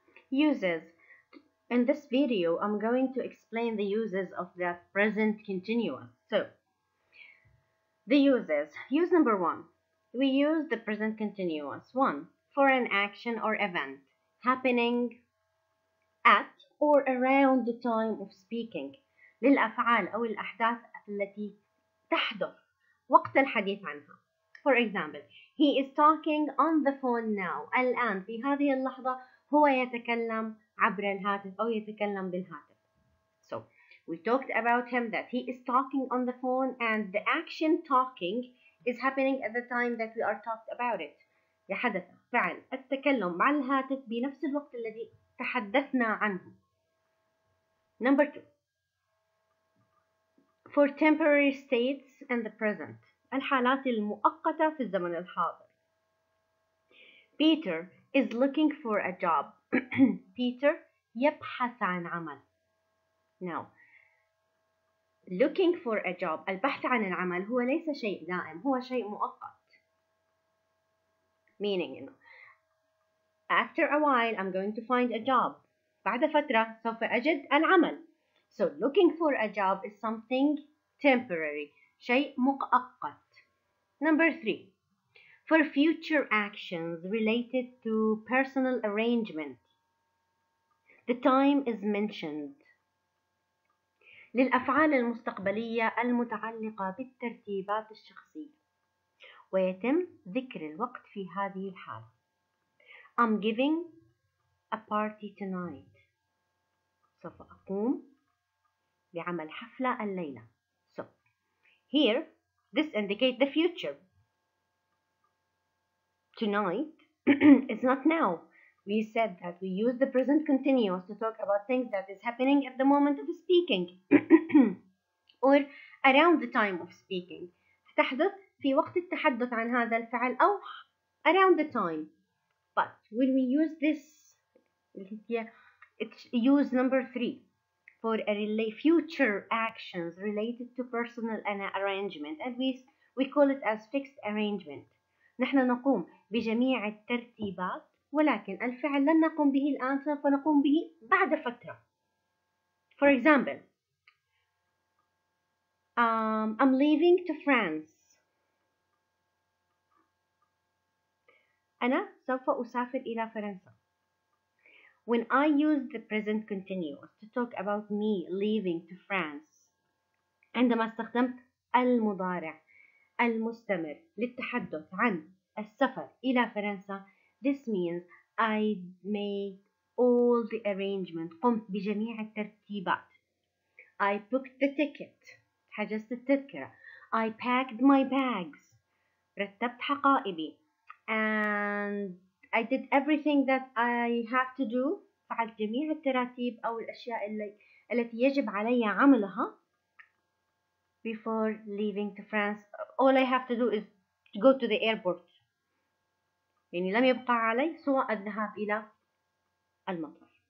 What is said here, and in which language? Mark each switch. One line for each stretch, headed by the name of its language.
English: Uses. In this video, I'm going to explain the uses of the present continuous. So, the uses. Use number 1. We use the present continuous. 1. For an action or event happening at or around the time of speaking.
Arabic: للأفعال أو الأحداث التي تحدث وقت الحديث عنها.
English: For example, he is talking on the phone now.
Arabic: الآن في هذه اللحظة هو يتكلم عبر الهاتف أو يتكلم بالهاتف.
English: So, we talked about him that he is talking on the phone and the action talking is happening at the time that we are talked about it.
Arabic: يحدث فعل التكلم على الهاتف بنفس الوقت الذي تحدثنا عنه.
English: Number 2. For temporary states in the present.
Arabic: الحالات المؤقتة في الزمن الحاضر.
English: Peter is looking for a job.
Arabic: Peter يبحث عن عمل.
English: Now, looking for a job.
Arabic: البحث عن العمل هو ليس شيء دائم. هو شيء مؤقت.
English: Meaning, you know, after a while, I'm going to find a job.
Arabic: بعد فترة سوف أجد العمل.
English: So, looking for a job is something temporary.
Arabic: شيء مؤقت.
English: Number 3. For future actions related to personal arrangement, the time is mentioned.
Arabic: للأفعال المستقبلية المتعلقة بالترتيبات الشخصية ويتم ذكر الوقت في هذه الحالة.
English: I'm giving a party tonight.
Arabic: سوف أقوم بعمل حفلة الليلة.
English: So, here, this indicates the future. Tonight is not now. We said that we use the present continuous to talk about things that is happening at the moment of speaking or around the time of speaking.
Arabic: تحدث في وقت التحدث عن هذا الفعل أو
English: around the time. But when we use this, it's use number 3 for a future actions related to personal arrangement. At least we call it as fixed arrangement.
Arabic: نحن نقوم بجميع الترتيبات ولكن الفعل لن نقوم به الآن سوف نقوم به بعد فترة.
English: For example, I'm leaving to France.
Arabic: أنا سوف أسافر إلى فرنسا.
English: When I use the present continuous to talk about me leaving to France,
Arabic: عندما استخدمت المضارع المستمر للتحدث عن السفر إلى فرنسا,
English: this means I made all the arrangements.
Arabic: قمت بجميع الترتيبات.
English: I booked the ticket.
Arabic: حجزت التذكرة.
English: I packed my bags.
Arabic: رتبت حقائبي.
English: And I did everything that I have to do.
Arabic: فعلت جميع التراتيب أو الأشياء التي يجب علي عملها
English: before leaving to France. All I have to do is to go to the airport.
Arabic: يعني لم يبقى علي سوى الذهاب إلى المطار.